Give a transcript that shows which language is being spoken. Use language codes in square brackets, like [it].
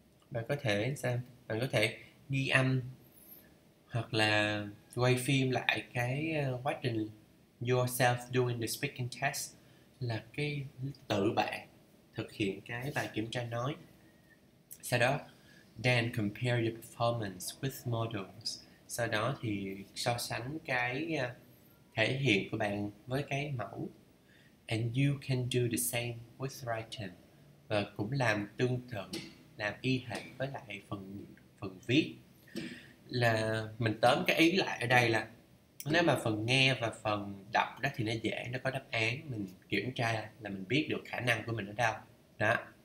[vi] Bạn có thể ghi âm hoặc là quay phim lại cái quá trình [en] yourself doing the speaking test, [vi] là cái tự bạn thực hiện cái bài kiểm tra nói. Sau đó, [en] then compare your performance with models. [vi] Sau đó thì so sánh cái thể hiện của bạn với cái mẫu. [en] And you can do the same with writing, [vi] và cũng làm tương tự, làm y hệt với lại phần phần viết. Là mình tóm cái ý lại ở đây là nếu mà phần nghe và phần đọc đó thì nó dễ, nó có đáp án, mình kiểm tra là mình biết được khả năng của mình ở đâu đó.